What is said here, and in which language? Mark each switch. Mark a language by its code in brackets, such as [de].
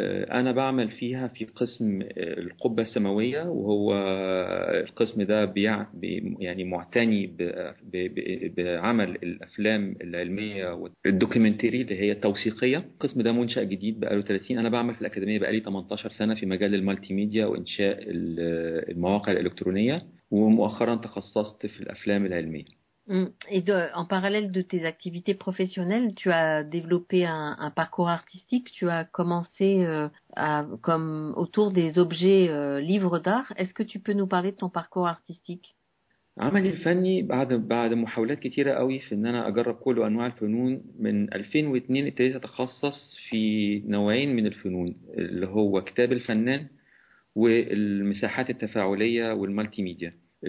[ar] أنا بعمل فيها في قسم القبة السماوية، وهو القسم ده يعني معتني بعمل الأفلام العلمية والدوكيومنتري اللي هي التوثيقية. القسم ده منشأ جديد بقاله 30، أنا بعمل في الأكاديمية بقالي 18 سنة في مجال المالتي ميديا وإنشاء المواقع الإلكترونية، ومؤخرا تخصصت في الأفلام العلمية. [fr] Et en parallèle de tes activités professionnelles, tu as développé un parcours artistique. Tu as commencé comme autour des objets livres d'art. Est-ce que tu peux nous parler de ton parcours artistique? [ar] عملي الفني بعد محاولات كتيرة قوي في إن أنا أجرب كل أنواع الفنون، من 2002 ابتديت أتخصص في نوعين من الفنون اللي هو كتاب الفنان والمساحات التفاعلية والمالتي ميديا.